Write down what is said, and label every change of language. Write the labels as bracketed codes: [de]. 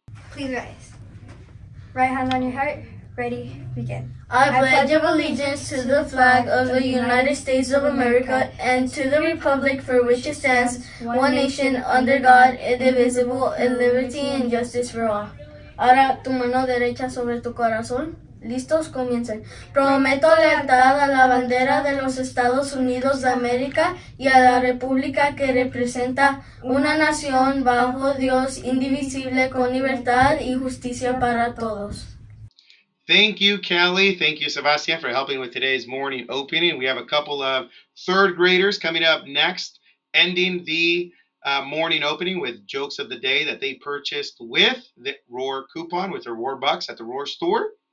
[en] Please rise. Right hand on your heart. Ready, begin. I pledge allegiance to the flag of the United States of America and to the republic for which it stands, one nation, under God, indivisible, in liberty and justice for all. [es] Ahora tu mano derecha sobre tu corazón. Listos, comiencen. Prometo lealtad a la bandera de los Estados Unidos de América y a la república que representa una nación bajo Dios, indivisible, con libertad y justicia para todos. [en] Thank you, Kelly. Thank you, Sebastian, for helping with today's morning opening. We have a couple of third graders coming up next, ending the morning opening with jokes of the day that they purchased with the Roar coupon, with their Roar Bucks at the Roar store.